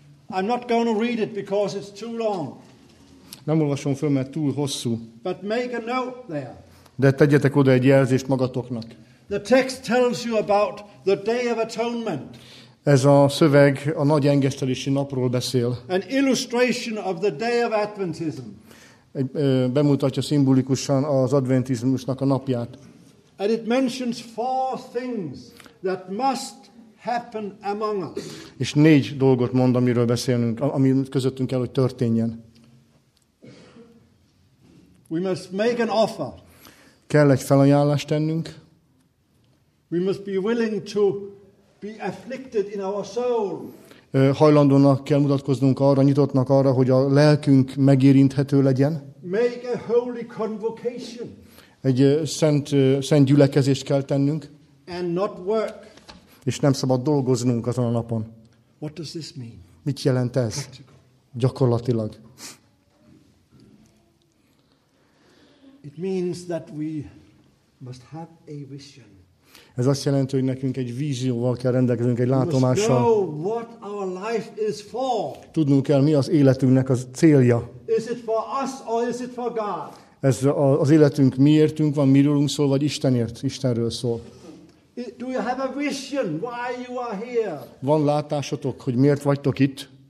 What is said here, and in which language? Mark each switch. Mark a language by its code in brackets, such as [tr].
[en] I'm not going to read it because it's too long. [hu] Nem olvasom föl, mert túl hosszú. [en] But make a note there. [hu] De tegyetek oda egy jelzést magatoknak. [en] The text tells you about the Day of Atonement. [hu] Ez a szöveg a nagy engesztelési napról beszél. [en] An illustration of the Day of Adventism. [hu] Bemutatja szimbolikusan az adventizmusnak a napját. [en] And it mentions 4 things that must happen among us. [hu] És 4 dolgot mond, amiről beszélünk, ami közöttünk kell, hogy történjen. [en] We must make an offer. [hu] Kell egy felajánlást tennünk. [en] We must be willing to be afflicted in our soul. [hu] Hajlandónak kell mutatkoznunk arra, nyitottnak arra, hogy a lelkünk megérinthető legyen. [en] Make a holy convocation. [hu] Egy szent gyülekezést kell tennünk. [en] And not work. [hu] és nem szabad dolgoznunk azon a napon. [en] What does this mean? [hu] Mit jelent ez? [en] Practical. [hu] Gyakorlatilag. [en] It means that we must have a vision. [hu] Ez azt jelenti, hogy nekünk egy vízióval kell rendelkezünk, egy látomással. [en] We must know what our life is for. [hu] Tudnunk kell, mi az életünknek az célja. [en] Is it for us or is it for God? [hu] Ez az életünk miértünk van, mirőlünk szól, vagy Istenért, Istenről szól. [en] Do you have a vision why you are here? [hu] Van látásotok, hogy miért vagytok itt?